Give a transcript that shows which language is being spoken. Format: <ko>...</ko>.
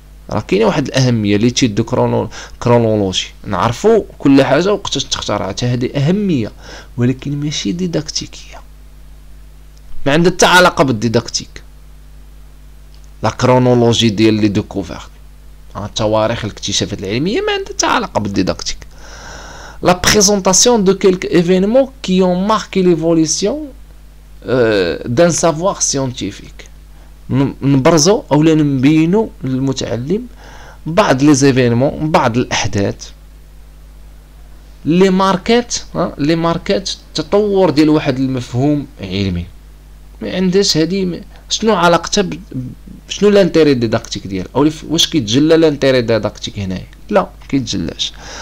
<ar>راه كاينه واحد الاهميه اللي تيدو كرونولوجي، نعرفو كل حاجه وقتاش تخترعت، هذه اهميه ولكن ماشي ديداكتيكيه، ما عندها حتى علاقه بالديداكتيك لا كرونولوجي ديال لي دوكوفير، التواريخ الاكتشافات العلميه ما عندها حتى علاقه بالديداكتيك،</ar> <fr>la présentation de quelques événements qui ont marqué l'évolution d'un savoir scientifique.</fr> <ar>نبرزو أو نبينو للمتعلم بعض لي زيفينمون بعض الأحداث لي ماركات لي ماركات التطور ديال واحد المفهوم علمي. ما عندهاش هادي شنو علاقتها شنو لانتيري ديداكتيك ديال أو واش كيتجلى لانتيري ديداكتيك هنايا؟ لا كيتجلاش.</ar>